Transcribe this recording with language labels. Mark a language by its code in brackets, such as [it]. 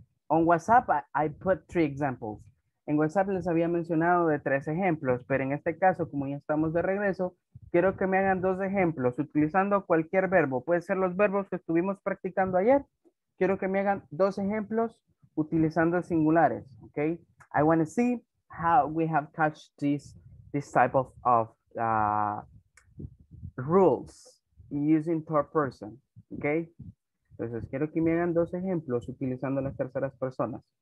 [en] On WhatsApp, I put three examples. [es] En WhatsApp les había mencionado de tres ejemplos, pero en este caso, como ya estamos de regreso, quiero que me hagan dos ejemplos utilizando cualquier verbo. Puede ser los verbos que estuvimos practicando ayer. Quiero que me hagan dos ejemplos utilizando singulares, ¿ok? [en] I want to see how we have catched this type of rules using third person, ¿ok? [es] Entonces, quiero que me hagan dos ejemplos utilizando las terceras personas.